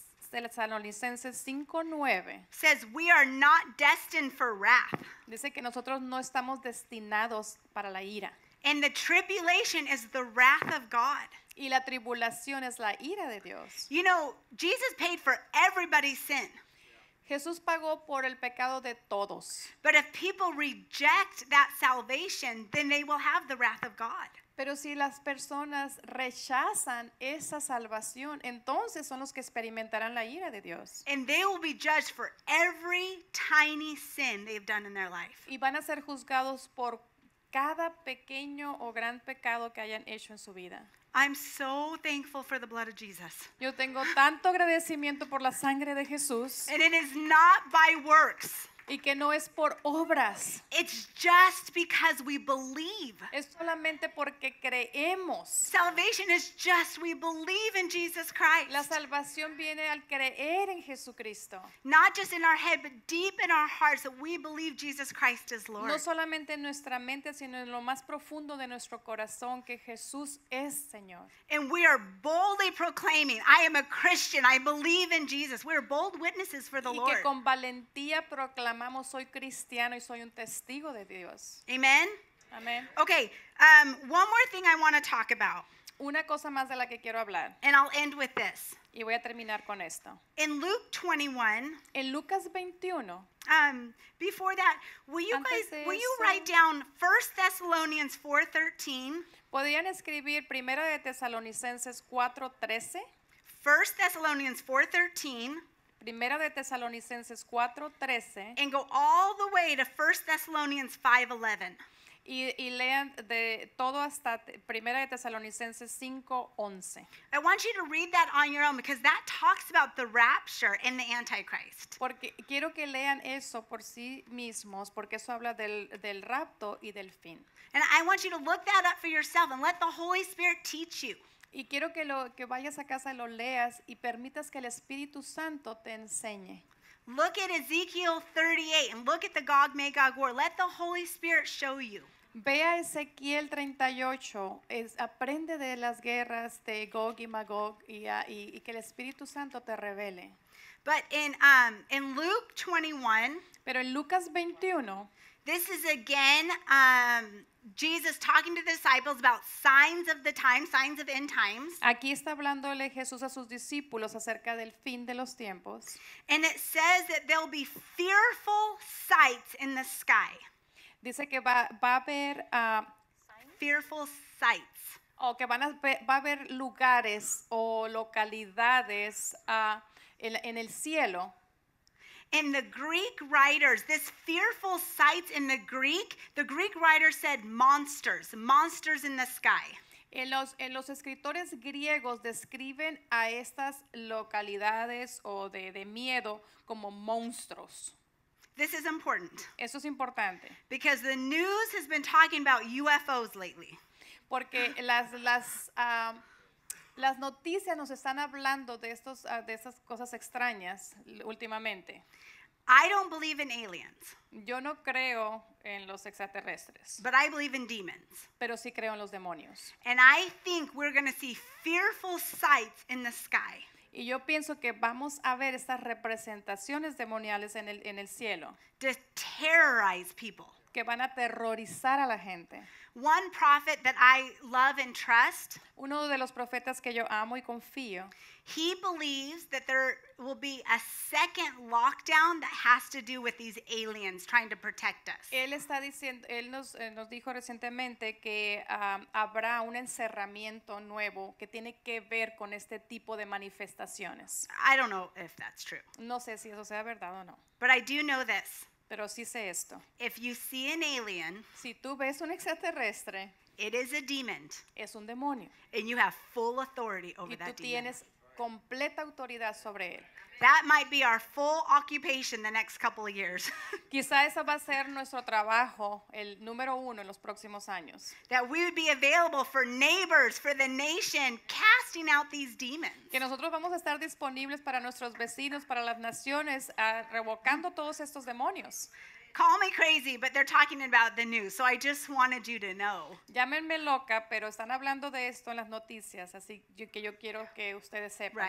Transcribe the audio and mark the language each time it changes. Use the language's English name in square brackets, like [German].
[English] 1 Thessalonians 5:9 says we are not destined for wrath. [Spanish] Dice que nosotros no estamos destinados para la ira. [English] And the tribulation is the wrath of God. [Spanish] Y la tribulación es la ira de Dios. [English] You know, Jesus paid for everybody's sin. [Spanish] Jesús pagó por el pecado de todos. [English] But if people reject that salvation, then they will have the wrath of God. [Spanish] Pero si las personas rechazan esa salvación, entonces son los que experimentarán la ira de Dios. [English] And they will be judged for every tiny sin they've done in their life. [Spanish] Y van a ser juzgados por cada pequeño o gran pecado que hayan hecho en su vida. [English] I'm so thankful for the blood of Jesus. [Spanish] Yo tengo tanto agradecimiento por la sangre de Jesús. [English] And it is not by works. [Spanish] Y que no es por obras. [English] It's just because we believe. [Spanish] Es solamente porque creemos. [English] Salvation is just we believe in Jesus Christ. [Spanish] La salvación viene al creer en Jesucristo. [English] Not just in our head, but deep in our hearts that we believe Jesus Christ is Lord. [Spanish] No solamente en nuestra mente, sino en lo más profundo de nuestro corazón que Jesús es Señor. [English] And we are boldly proclaiming, I am a Christian, I believe in Jesus. We are bold witnesses for the [Spanish] Lord. Y que con valentía proclamamos, soy cristiano y soy un testigo de Dios. [English] Amen. [Spanish] Amen. [English] Okay, one more thing I want to talk about. [Spanish] Una cosa más de la que quiero hablar. [English] And I'll end with this. [Spanish] Y voy a terminar con esto. [English] In Luke 21. [Spanish] En Lucas 21. [English] Before that, will you write down 1 Thessalonians 4:13? [Spanish] ¿Podrían escribir Primera de Tesalonicenses 4:13? [English] 1 Thessalonians 4:13. [Spanish] Primera de Tesalonicenses 4:13. [English] And go all the way to 1 Thessalonians 5:11. [Spanish] Y lean de todo hasta Primera de Tesalonicenses 5:11. [English] I want you to read that on your own because that talks about the rapture and the Antichrist. [Spanish] Porque quiero que lean eso por sí mismos porque eso habla del rapto y del fin. [English] And I want you to look that up for yourself and let the Holy Spirit teach you. [Spanish] Y quiero que que vayas a casa y lo leas y permitas que el Espíritu Santo te enseñe. [English] Look at Ezekiel 38 and look at the Gog Magog war. Let the Holy Spirit show you. [Spanish] Ve a Ezequiel 38, aprende de las guerras de Gog y Magog y que el Espíritu Santo te revele. [English] But in Luke 21, [Spanish] pero en Lucas 21, [English] this is again Jesus talking to the disciples about signs of the time, signs of end times. [Spanish] Aquí está hablándole Jesús a sus discípulos acerca del fin de los tiempos. [English] And it says that there'll be fearful sights in the sky. [Spanish] Dice que va a haber [English] fearful sights. [Spanish] O que va a haber lugares o localidades en el cielo. [English] In the Greek writers, this fearful sights in the Greek writer said monsters, monsters in the sky. [Spanish] En los escritores griegos describen a estas localidades o de miedo como monstruos. [English] This is important. [Spanish] Eso es importante. [English] Because the news has been talking about UFOs lately. [Spanish] Porque las noticias nos están hablando de esas cosas extrañas últimamente. [English] I don't believe in aliens. [Spanish] Yo no creo en los extraterrestres. [English] But I believe in demons. [Spanish] Pero sí creo en los demonios. [English] And I think we're going to see fearful sights in the sky. [Spanish] Y yo pienso que vamos a ver estas representaciones demoniales en el cielo. [English] To terrorize people. [Spanish] Que van a aterrorizar a la gente. [English] One prophet that I love and trust. [Spanish] Uno de los profetas que yo amo y confío. [English] He believes that there will be a second lockdown that has to do with these aliens trying to protect us. [Spanish] Él está diciendo, él nos dijo recientemente que habrá un encerramiento nuevo que tiene que ver con este tipo de manifestaciones. [English] I don't know if that's true. [Spanish] No sé si eso sea verdad o no. [English] But I do know this. [Spanish] Pero sí sé esto. [English] If you see an alien, [Spanish] si tú ves un extraterrestre, [English] it is a demon. [Spanish] Es un demonio. [English] And you have full authority over that demon. [Spanish] Y tú tienes completa autoridad sobre él. [English] That might be our full occupation the next couple of years. [Spanish] Quizá eso va a ser nuestro trabajo, el número uno en los próximos años. [English] That we would be available for neighbors, for the nation, casting out these demons. [Spanish] Que nosotros vamos a estar disponibles para nuestros vecinos, para las naciones, revocando todos estos demonios. [English] Call me crazy, but they're talking about the news, so I just wanted you to know. [Spanish] Llámenme loca, pero están hablando de esto en las noticias, así que yo quiero que ustedes sepan